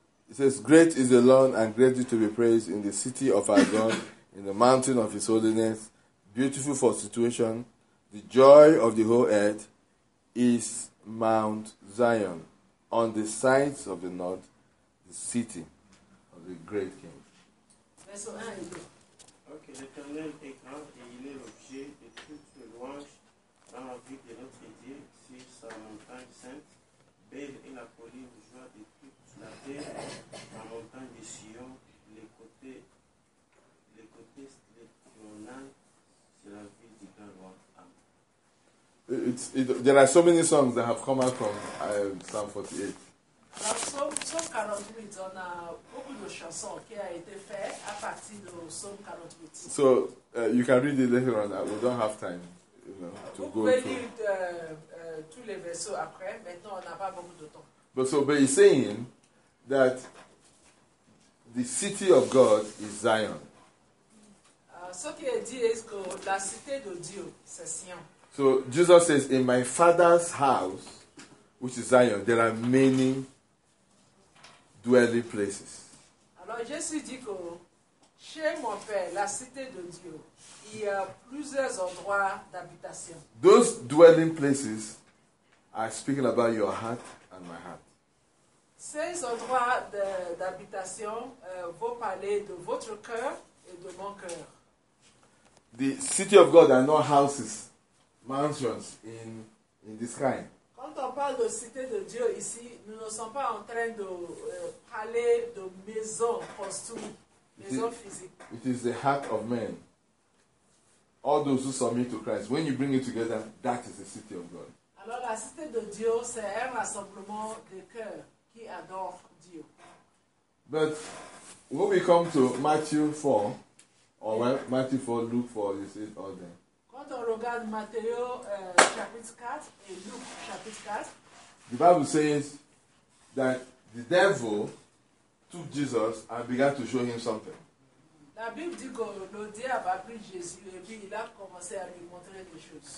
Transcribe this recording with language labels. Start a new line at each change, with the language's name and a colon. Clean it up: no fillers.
English: It says, great is the Lord and greatly to be praised in the city of our God, in the mountain of his holiness, beautiful for situation. The joy of the whole earth is Mount Zion, on the sides of the north, the city of the great king. Verse 1 and 2.
French: Que l'Éternel est grand et il est l'objet de toute louange dans la vie de notre Dieu sur sa montagne sainte, belle est la colline, joie de toute la terre, la montagne de Sion, les côtés les tribunaux, c'est la ville du grand roi. Amen.
English: There are so many songs that have come out from Psalm 48.
French: Psalm 48, on a beaucoup de chansons qui a été fait à partir de Psalm 48.
English: So you can read it later on. We don't have time, you know, to
French: vous
English: go
French: pouvez
English: through.
French: Lire tous les versets après. Maintenant, on n'a pas beaucoup de temps.
English: But he's saying that the city of God is Zion.
French: Ce qui est dit est que la cité de Dieu, c'est Sion.
English: So Jesus says, in my Father's house, which is Zion, there are many dwelling places.
French: Alors Jésus dit que chez mon Père, la cité de Dieu, il y a plusieurs endroits d'habitation.
English: Those dwelling places are speaking about your heart and my heart.
French: Ces endroits d'habitation vont parler de votre cœur et de mon cœur.
English: The city of God are not houses, mansions in the sky.
French: Quand on parle de cité de Dieu ici, nous ne sommes pas en train de parler de maison construite, maison physique.
English: It is the heart of man. All those who submit to Christ, when you bring it together, that is the city of God.
French: Alors la cité de Dieu, c'est un rassemblement de cœur qui adore Dieu.
English: But when we come to Matthew 4, or when Matthew 4, Luke 4, you see it all there.
French: Quand on regarde Matthieu chapitre 4 et Luc chapitre 4,
English: the Bible says that the devil took Jesus and began to show him something.
French: La Bible dit que le diable a pris Jésus et puis il a commencé à lui montrer des choses.